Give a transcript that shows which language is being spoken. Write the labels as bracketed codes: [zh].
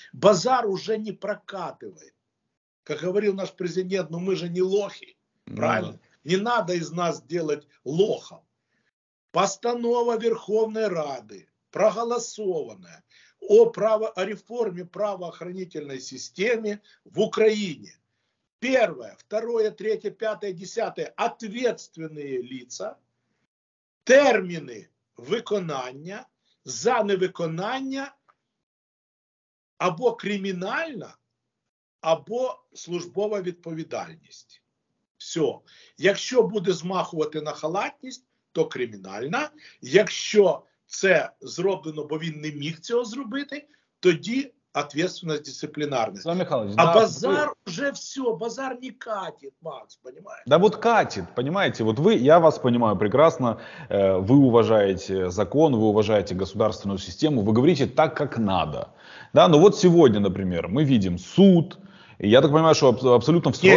[ru] Базар уже не прокатывает. Как говорил наш президент, ну мы же не лохи. Правильно? Не надо из нас делать лохов. Постанова Верховной Рады, проголосованная о реформе правоохранительной системы в Украине, первое, второе, третье, пятое, десятое – ответственные лица, [uk] термины виконання за невиконання або кримінальна, або службова відповідальність. Все. Якщо буде змахувати на халатність, то кримінальна. Якщо це зроблено, бо він не міг цього зробити, тоді відповідальність дисциплінарна. Слава Михайлович, а да, базар ви... вже все, [ru] базар не катит, Макс, понимаете? Да вот катит, понимаете? Вот вы, я вас понимаю прекрасно, вы уважаете закон, вы уважаете государственную систему, вы говорите так, как надо. Да, но вот сегодня, например, мы видим суд, и я так понимаю, что абсолютно в срочном...